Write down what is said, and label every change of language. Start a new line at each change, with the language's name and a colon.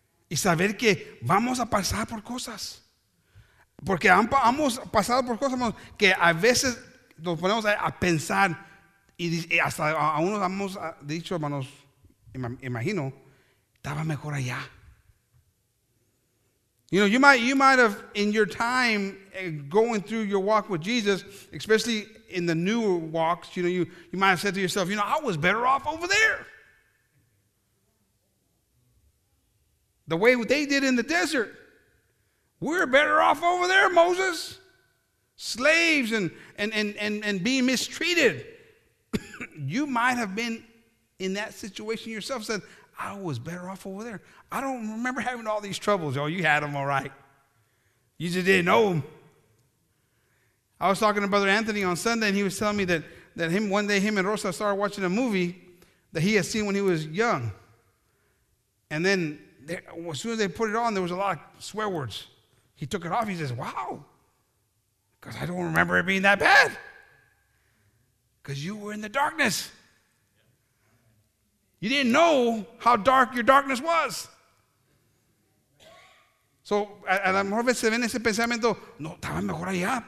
Spanish: Y saber que vamos a pasar por cosas. Porque hemos pasado por cosas, hermanos, que a veces nos ponemos a pensar y hasta a uno hemos dicho, hermanos, imagino, estaba mejor allá.
English: You know, you might have, in your time going through your walk with Jesus, especially in the newer walks, you know, you might have said to yourself, you know, I was better off over there. The way they did in the desert. We're better off over there, Moses. Slaves and being mistreated. You might have been in that situation yourself, said, I was better off over there. I don't remember having all these troubles. Oh, you had them all right. You just didn't know them. I was talking to Brother Anthony on Sunday, and he was telling me that him one day, him and Rosa started watching a movie that he had seen when he was young. And then as soon as they put it on, there was a lot of swear words. He took it off. He says, wow, because I don't remember it being that bad. Because you were in the darkness. You didn't know how dark your darkness was.
Spanish: So, a lo mejor se ven ese pensamiento, no, estaba mejor allá.